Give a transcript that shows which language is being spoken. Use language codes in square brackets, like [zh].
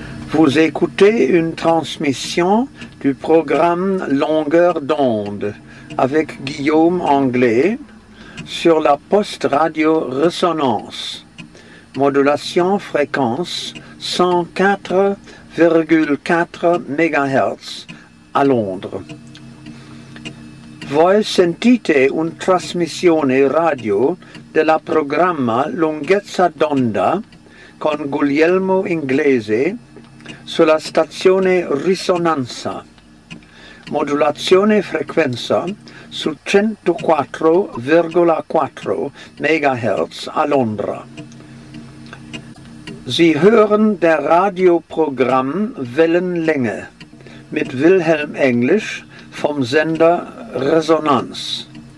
[fr] Vous écoutez une transmission du programme Longueur d'onde avec Guillaume Anglais sur la poste radio Resonance, modulation fréquence 104,4 MHz à Londres. [it] Voi sentite una trasmissione radio del programma Lunghezza d'onda con Guglielmo Inglese sulla stazione Risonanza, modulazione frequenza su 104,4 MHz a Londra. [de] Sie hören der Radioprogramm Wellenlänge mit Wilhelm Englisch vom Sender Resonanz.